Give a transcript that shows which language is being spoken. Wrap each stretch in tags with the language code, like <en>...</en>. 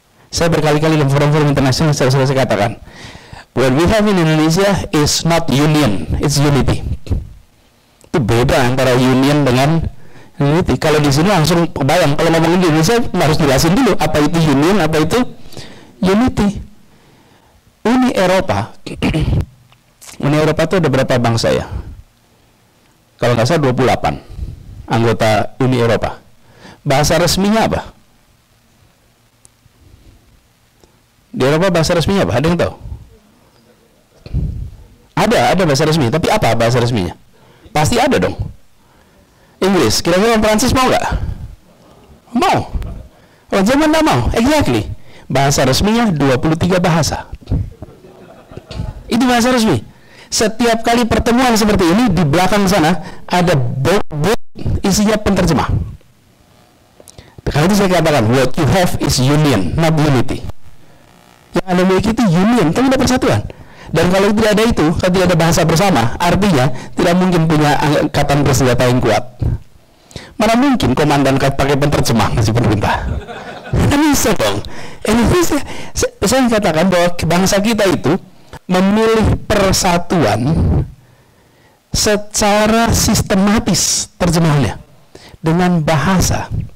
<id>Saya berkali-kali di forum-forum internasional saya katakan,</id> <en>what we have in Indonesia is not union, it's unity.</en> <id>Itu beda antara union dengan unity. Kalau di sini langsung kebayang, kalau ngomong Indonesia harus jelasin dulu apa itu union, apa itu unity. Uni Eropa, Uni Eropa itu ada berapa bangsa ya? Kalau nggak salah 28 anggota Uni Eropa. Bahasa resminya apa? Di Eropa bahasa resminya apa? Ada yang tahu? Ada bahasa resmi. Tapi apa bahasa resminya? Pasti ada dong. Inggris. Kira-kira Prancis mau nggak? Mau. Orang Jerman nggak mau. Exactly. Bahasa resminya 23 bahasa. Itu bahasa resmi. Setiap kali pertemuan seperti ini, di belakang sana ada book isinya penerjemah. Karena itu saya katakan,</id> <en>what you have is union, not unity.</en> <id>Yang Anda miliki itu union, kan tidak persatuan. Dan kalau tidak ada itu, kalau tidak ada bahasa bersama, artinya tidak mungkin punya angkatan bersenjata yang kuat. Mana mungkin komandan pakai penerjemah masih pemerintah. Ini sebang. Ini saya katakan bahwa bangsa kita itu memilih persatuan secara sistematis terjemahnya dengan bahasa.</id>